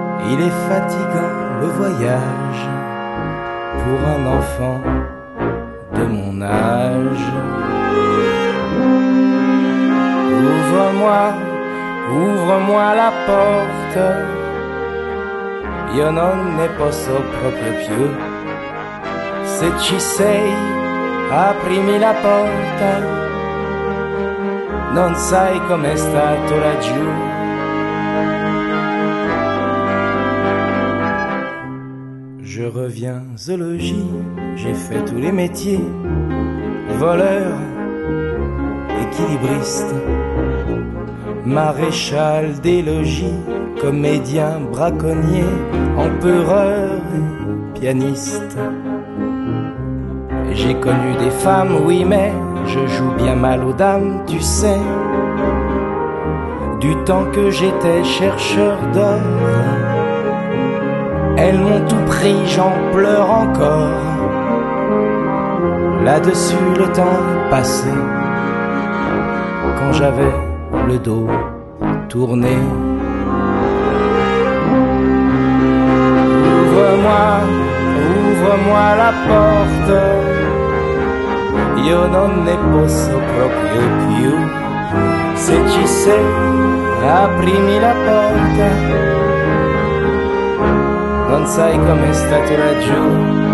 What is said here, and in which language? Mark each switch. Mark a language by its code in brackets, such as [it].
[fr] Il est fatigant le voyage pour un enfant de mon âge. Ouvre-moi, ouvre-moi la porte. [it] Io non ne posso proprio più. Se ci sei, aprimi la porta. Non sai com'è stato laggiù. [fr] Je reviens au logis, j'ai fait tous les métiers, voleur, équilibriste, maréchal des logis, comédien, braconnier, empereur, pianiste. J'ai connu des femmes, oui, mais je joue bien mal aux dames, tu sais. Du temps que j'étais chercheur d'or, elles m'ont tout pris, j'en pleure encore. Là-dessus, le temps passé, quand j'avais le dos tourné. Ouvre-moi, ouvre-moi la porte. [it] Io non ne posso proprio più. Se ci sei, aprimi la porta. Non sai com'è stato laggiù.